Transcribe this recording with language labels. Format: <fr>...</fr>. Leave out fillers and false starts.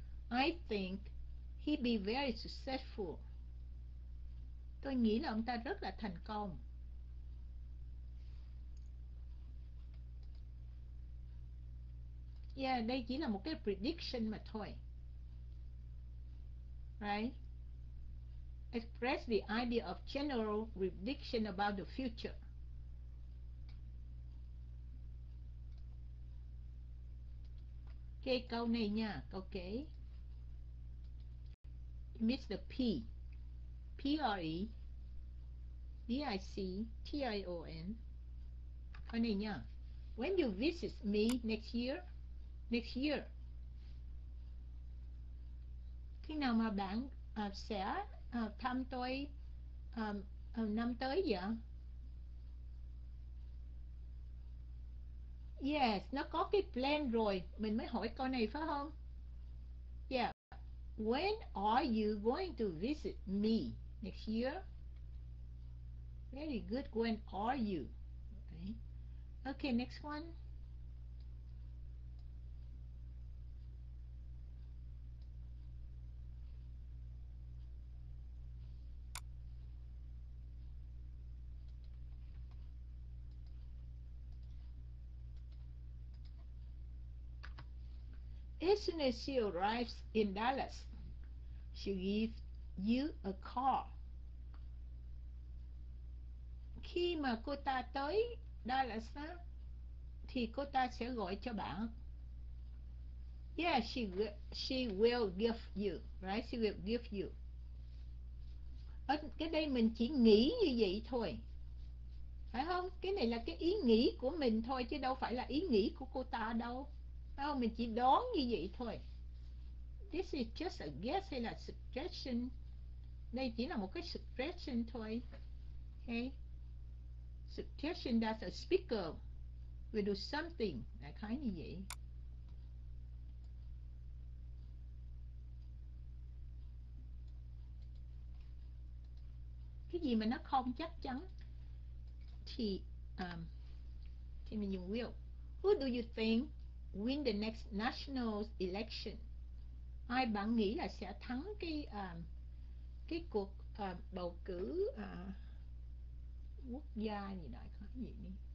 <en>I think he'd be very successful.</en> <vi>Tôi nghĩ là ông ta rất là thành công. Yeah, đây chỉ là một cái prediction mà thôi.</vi> <en>Right? Express the idea of general prediction about the future.</en> <vi>Ok, câu này nha, câu kế.</vi> <en>Miss the P. P-R-E. D-I-C-T-I-O-N.</en> <vi>Câu này nha.</vi> <en>When you visit me next year. Next year.</en> <vi>Khi nào mà bạn sẽ thăm tôi năm tới vậy? Yes, nó có cái plan rồi. Mình mới hỏi câu này phải không?</vi> <en>Yeah. When are you going to visit me next year? Very good. When are you? Okay, next one. As soon as she arrives in Dallas, she gives you a call.</en> <vi>Khi mà cô ta tới Dallas á, thì cô ta sẽ gọi cho bạn.</vi> <en>Yeah, she will give you, right? She will give you.</en> <vi>Ở cái đây mình chỉ nghĩ như vậy thôi. Phải không? Cái này là cái ý nghĩ của mình thôi, chứ đâu phải là ý nghĩ của cô ta đâu. Phải không? Mình chỉ đoán như vậy thôi.</vi> <en>This is just a guess</en> <vi>hay là</vi> <en>suggestion.</en> <vi>Đây chỉ là một cái suggestion thôi.</vi> <en>Okay. Suggestion that a speaker will do something that kind of vậy.</en> <vi>Cái gì mà nó không chắc chắn thì mình dùng will.</vi> <en>Who do you think win the next national election?</en> <vi>Ai bạn nghĩ là sẽ thắng cái cuộc bầu cử quốc gia gì đó, có gì đi.</vi>